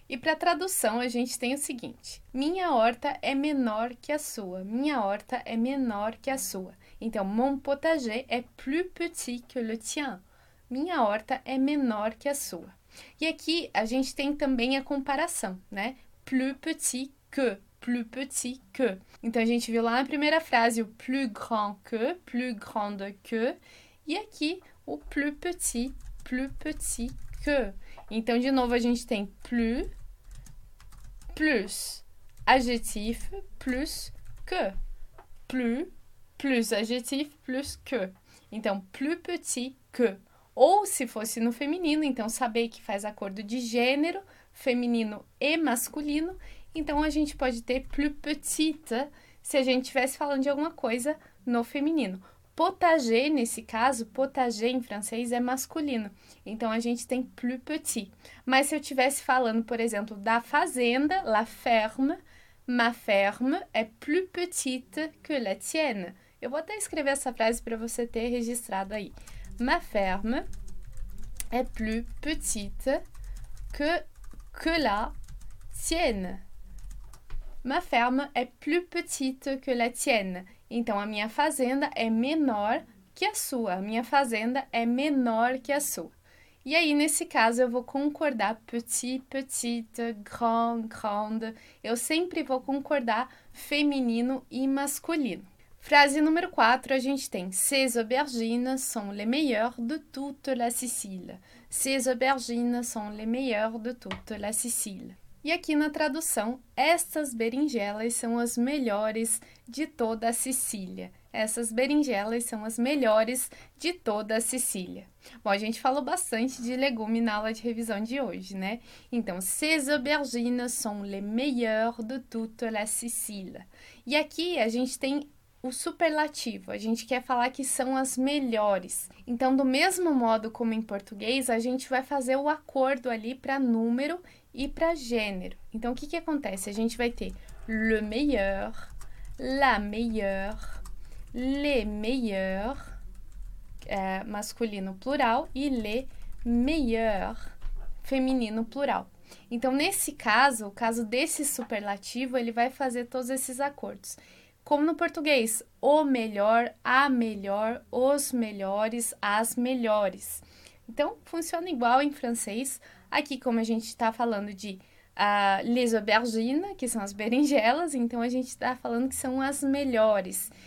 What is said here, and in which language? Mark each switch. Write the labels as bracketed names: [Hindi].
[Portuguese] E para tradução, a gente tem o seguinte: minha horta é menor que a sua. Minha horta é menor que a sua. Então, [French] mon potager est plus petit que le tien. [Portuguese] Minha horta é menor que a sua. E aqui a gente tem também a comparação, né? [French] Plus petit que, plus petit que. [Portuguese] Então, a gente viu lá na primeira frase o [French] plus grand que, [Portuguese] plus grande que. E aqui o [French] plus petit que. [Portuguese] Então, de novo, a gente tem plus. Plus adjetif, plus que. [French] Plus adjetif, plus que. Então, plus petit que. [Portuguese] Ou se fosse no feminino, então saber que faz acordo de gênero, feminino e masculino. Então, a gente pode ter [French] plus petite [Portuguese] se a gente estivesse falando de alguma coisa no feminino. Potager, nesse caso, potager em francês é masculino. Então a gente tem plus petit. Mas se eu estivesse falando, por exemplo, da fazenda, la ferme, [French] ma ferme est plus petite que la tienne. [Portuguese] Eu vou até escrever essa frase para você ter registrado aí. [French] Ma ferme est plus petite que la tienne. Ma ferme est plus petite que la tienne. [Portuguese] Então, a minha fazenda é menor que a sua. A minha fazenda é menor que a sua. E aí, nesse caso, eu vou concordar petit, petite, grand, grande. Eu sempre vou concordar feminino e masculino. Frase número 4, a gente tem: [French] Ses aubergines sont les meilleures de toute la Sicile. Ses aubergines sont les meilleures de toute la Sicile. [Portuguese] E aqui na tradução, estas berinjelas são as melhores de toda a Sicília. Essas berinjelas são as melhores de toda a Sicília. Bom, a gente falou bastante de legume na aula de revisão de hoje, né? [French] Então, ces aubergines sont les meilleures de toute la Sicile. [Portuguese] E aqui a gente tem o superlativo, a gente quer falar que são as melhores. Então, do mesmo modo como em português, a gente vai fazer o acordo ali para número e para gênero. Então, o que que acontece? A gente vai ter [French] le meilleur, la meilleure, les meilleurs, [Portuguese] masculino plural, e [French] les meilleurs, [Portuguese] feminino plural. Então, nesse caso, o caso desse superlativo, ele vai fazer todos esses acordos. Como no português, o melhor, a melhor, os melhores, as melhores. Então, funciona igual em francês. Aqui, como a gente está falando de les aubergines, que são as berinjelas, então a gente está falando que são as melhores.